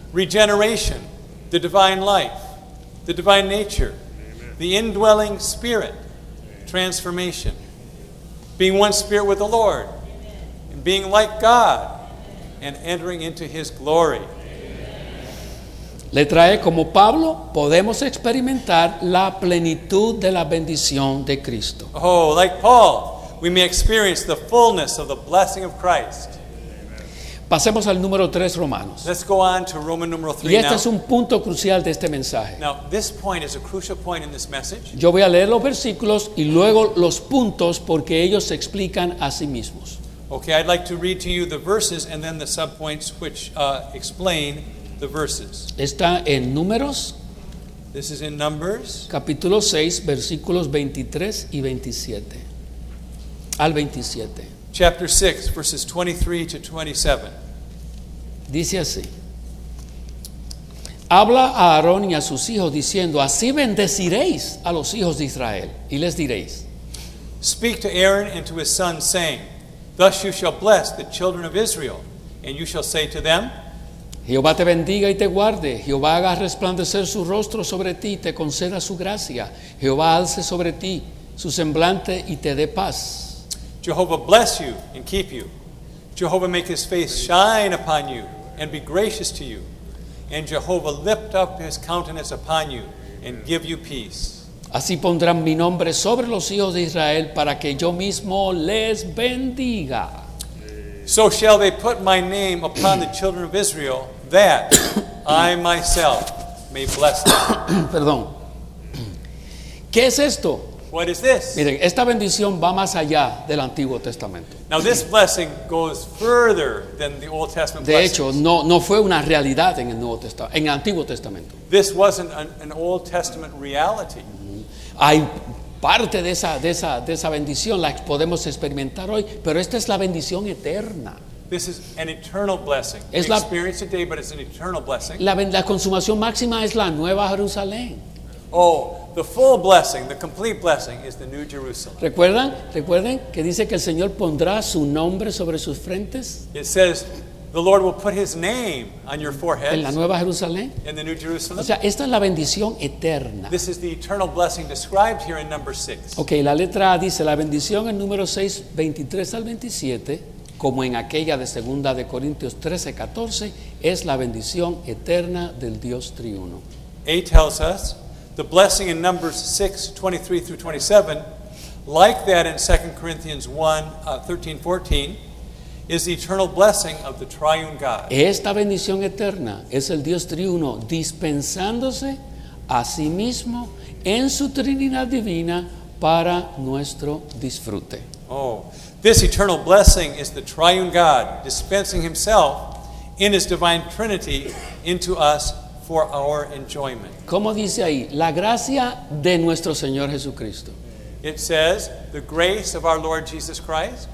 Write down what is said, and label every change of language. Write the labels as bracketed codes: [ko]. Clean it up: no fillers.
[en] Regeneration, the divine life, the divine nature, Amen. The indwelling spirit, transformation, being one spirit with the Lord, and being like God, and entering into his glory. [es] Le trae como Pablo, podemos experimentar la plenitud de la bendición de Cristo. [en] Oh, like Paul, we may experience the fullness of the blessing of Christ. [es] Pasemos al número 3, Romanos. [en] Let's go on to Roman number 3 now. [es] Y este es un punto crucial de este mensaje. [en] Now, this point is a crucial point in this message. [es] Yo voy a leer los versículos y luego los puntos porque ellos se explican a sí mismos. [en] Okay, I'd like to read to you the verses and then the subpoints which explain the verses. [es] Está en Números [en] This is in Numbers. [es] Capítulo 6, versículos 23 y 27. Al 27. [en] Chapter 6, verses 23 to 27. [es] Dice así. Habla a Aarón y a sus hijos diciendo, así bendeciréis a los hijos de Israel, y les diréis. [en] Speak to Aaron and to his sons, saying, thus you shall bless the children of Israel, and you shall say to them, [es] Jehová te bendiga y te guarde. Jehová haga resplandecer su rostro sobre ti y te conceda su gracia. Jehová alce sobre ti su semblante y te dé paz. [en] Jehovah bless you and keep you. Jehovah make his face shine upon you and be gracious to you. And Jehovah lift up his countenance upon you and give you peace. [es] Así pondrán mi nombre sobre los hijos de Israel para que yo mismo les bendiga. [en] So shall they put my name upon the children of Israel that I myself may bless them. [es] Perdón. ¿Qué es esto? [en] What is this? [es] Miren, esta bendición va más allá del Antiguo Testamento. [en] Now this blessing goes further than the Old Testament blessings. [es] De hecho, no fue una realidad en el Nuevo Testamento, en el Antiguo Testamento. [en] This wasn't an Old Testament reality. [es] Hay parte de esa bendición la podemos experimentar hoy, pero esta es la bendición eterna. [en] This is an eternal blessing. [es] Es la [en] experience today, but it's an eternal blessing. [es] La consumación máxima es la Nueva Jerusalén. [en] Oh, the full blessing, the complete blessing is the New Jerusalem. [es] ¿Recuerden que dice que el Señor pondrá su nombre sobre sus frentes? [en] It says the Lord will put his name on your foreheads. [es] En la Nueva Jerusalén. [en] In the New Jerusalem. [es] O sea, esta es la bendición eterna. [en] This is the eternal blessing described here in number 6. [es] Okay, la letra A dice la bendición en número 6, 23 al 27, como en aquella de segunda de Corintios 13, 14, es la bendición eterna del Dios triuno. [en] A tells us the blessing in Numbers 6, 23 through 27, like that in 2 Corinthians 1, 13, 14, is the eternal blessing of the triune God. [es] Esta bendición eterna es el Dios triuno dispensándose a sí mismo en su Trinidad divina para nuestro disfrute. [en] Oh, this eternal blessing is the triune God dispensing himself in his divine Trinity into us for our enjoyment. [es] ¿Cómo dice ahí? La gracia de nuestro Señor Jesucristo. [en] It says, the grace of our Lord Jesus Christ.